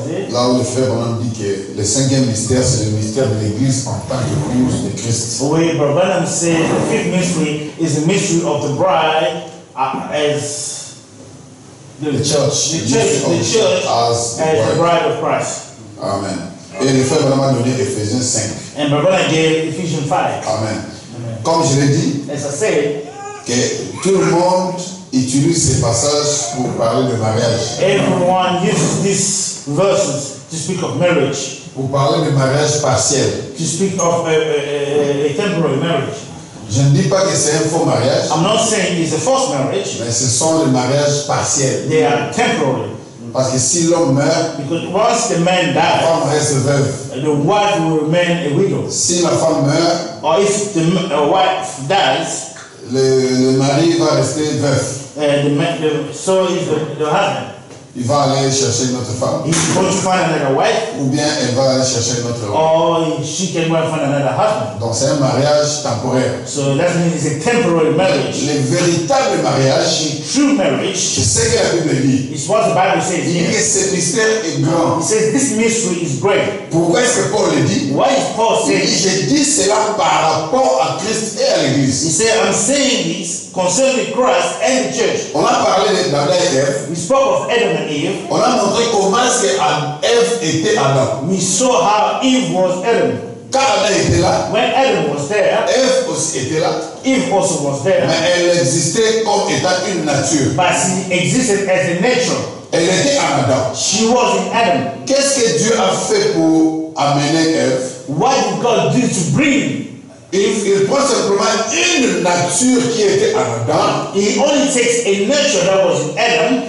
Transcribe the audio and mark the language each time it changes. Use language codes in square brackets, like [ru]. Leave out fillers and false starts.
[fr] Là où le frère Branham dit que le cinquième mystère, c'est le mystère de l'Église en tant que épouse de Christ. [en] Oui, Brother Branham says the fifth mystery is the mystery of the bride as the church. The church as the bride of Christ. [fr] Amen. Et le frère Branham a donné Ephésiens 5. [en] And Brother Branham gave Ephesians 5. [fr] Amen. Comme je l'ai dit, [en] as I said, [fr] que tout le monde utilise ces passages pour parler de mariage. [en] Everyone uses these verses to speak of marriage. [fr] Pour parler de mariage partiel. [en] To speak of a temporary marriage. [fr] Je ne dis pas que c'est un faux mariage. [en] I'm not saying it's a false marriage. [fr] Mais ce sont les mariages partiels. [en] They are temporary. [fr] Parce que si l'homme meurt, [en] because once the man dies, [fr] la femme reste veuve. [en] The wife will remain a widow. [fr] Si la femme meurt, [en] or if the wife dies, [fr] le mari va rester veuf. [en] So is the husband. [fr] Il va aller chercher une autre femme. [en] He's going to find another wife. [fr] Ou bien elle va aller chercher une autre. [en] Or she can go and find another husband. [fr] Donc c'est un mariage temporaire. [en] So that means it's a temporary marriage. [fr] Le véritable mariage, [en] the true marriage, [fr] c'est ce que la Bible dit. [en] It's what the Bible says. [fr] Il dit que ce mystère est grand. [en] He says this mystery is great. [fr] Pourquoi est-ce que Paul le dit? [en] Why is Paul saying? [fr] Il dit, je dis cela par rapport à Christ et à l'Église. [en] He says I'm saying this concerning Christ and the church. [fr] On a parlé de Adam et Eve. [en] We spoke of Adam and Eve. [fr] On a montré comment c'est Eve était Adam. [en] We saw how Eve was Adam. [fr] Quand Adam était là, [en] when Adam was there, [fr] Eve aussi était là. [en] Eve also was there. [fr] Mais elle existait comme étant une nature. [en] But she existed as a nature. [fr] Elle était en Adam. [en] She was in Adam. [fr] Qu'est-ce que Dieu a fait pour amener Eve? [en] What did God do to bring? [fr] Il prend simplement une nature qui était en Adam. [en] He only takes a nature that was in Adam.